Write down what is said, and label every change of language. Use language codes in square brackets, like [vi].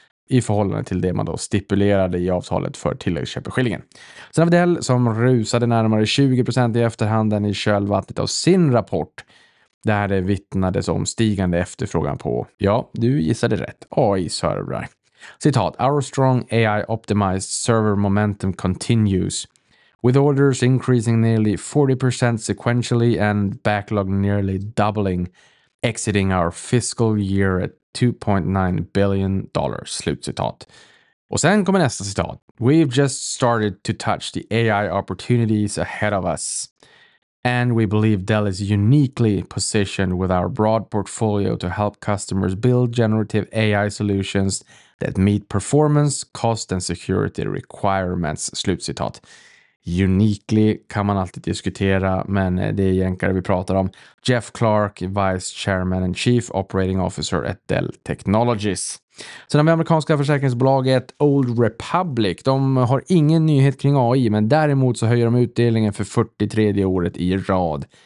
[sv] I förhållande till det man då stipulerade i avtalet för tilläggsköpeskillingen. Sen har vi Dell som rusade närmare 20% i efterhanden i kölvattnet av sin rapport. Där det vittnades om stigande efterfrågan på, ja, du gissade rätt, AI-servrar. Citat, [en] our strong AI optimized server momentum continues with orders increasing nearly 40% sequentially and backlog nearly doubling, exiting our fiscal year at $2.9 billion. [sv] Slutcitat. Och sen kommer nästa citat. [en] We've just started to touch the AI opportunities ahead of us. And we believe Dell is uniquely positioned with our broad portfolio to help customers build generative AI solutions that meet performance, cost and security requirements. [sv] Slutcitat. Uniquely kan man alltid diskutera, men det är jänkare vi pratar om. [en] Jeff Clark, Vice Chairman and Chief Operating Officer at Dell Technologies. [sv] Sen har vi amerikanska försäkringsbolaget Old Republic. De har ingen nyhet kring AI, men däremot så höjer de utdelningen för 43 året i rad.